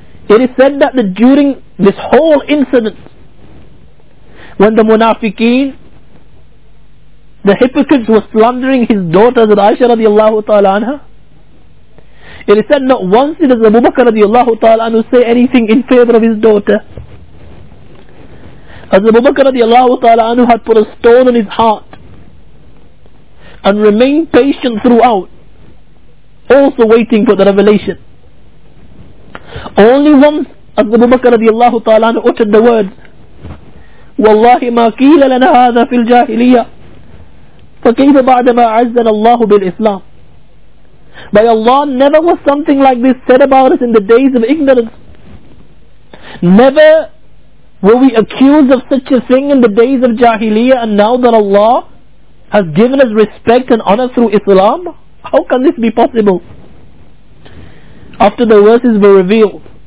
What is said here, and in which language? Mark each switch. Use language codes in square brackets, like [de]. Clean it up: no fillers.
[en] It is said that during this whole incident, when the munafiqeen, the hypocrites, were slandering his daughter Hazrat Aisha radiallahu ta'ala anha, it is said not once did Abu Bakr radiallahu ta'ala anhu say anything in favor of his daughter. Hazrat Abu Bakr radiallahu ta'ala anhu had put a stone on his heart and remained patient throughout, also waiting for the revelation. Only once Hazrat Abu Bakr radiallahu ta'ala anhu uttered the words, [ar] وَاللَّهِ مَا كِيلَ لَنَا هَذَا فِي الْجَاهِلِيَّةِ فَكَيْفَ بَعْدَمَا عَزَّنَ اللَّهُ بِالْإِسْلَامِ. [en] By Allah, never was something like this said about us in the days of ignorance. Never were we accused of such a thing in the days of Jahiliyyah, and now that Allah has given us respect and honor through Islam, how can this be possible? After the verses were revealed,